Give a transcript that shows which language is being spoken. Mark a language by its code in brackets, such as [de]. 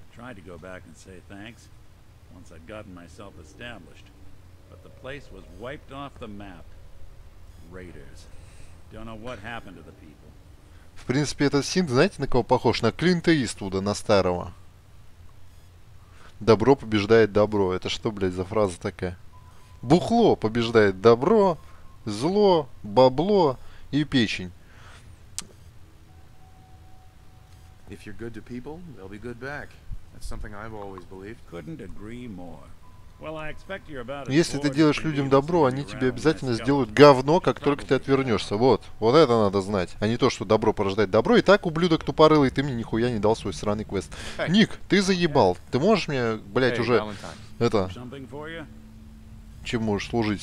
[en] I tried to go back and say thanks once I'd gotten myself established, but the place was wiped off the map. Raiders. Don't know what happened to the people. [ru] В принципе, этот синт, знаете, на кого похож? На Клинта Иствуда, на старого. Добро побеждает добро. Это что, блядь, за фраза такая? Бухло побеждает добро, зло, бабло и печень. [en] If you're good to people, they'll be good back. That's something I've always believed. Couldn't agree more. Well, I expect you're about to... [ru] Если ты делаешь людям добро, они тебе обязательно сделают говно, как только ты отвернешься. Вот. Вот это надо знать. А не то, что добро порождает добро. И так, ублюдок тупорылый, ты мне нихуя не дал свой сраный квест. Ник, ты заебал. Ты можешь мне, блять, уже... Это... Чем можешь служить?